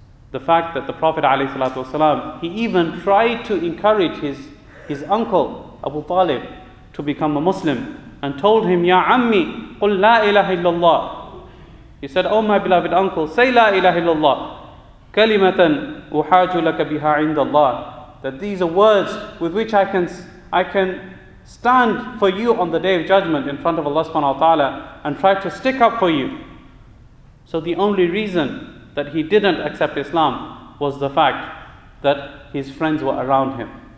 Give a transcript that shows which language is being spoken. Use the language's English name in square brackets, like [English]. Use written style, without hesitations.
[English] The fact that the Prophet ﷺ, he even tried to encourage his uncle Abu Talib to become a Muslim and told him, Ya Ammi, [Arabic] قُلْ لَا إِلَهَ إِلَّا اللَّهِ. [English] He said, Oh my beloved uncle, say La ilaha illallah. [Arabic] كَلِمَةً أُحَاجُ لَكَ بِهَا عِنْدَ اللَّهِ. [English] That these are words with which I can stand for you on the Day of Judgment in front of Allah subhanahu wa ta'ala and try to stick up for you. So the only reason that he didn't accept Islam was the fact that his friends were around him.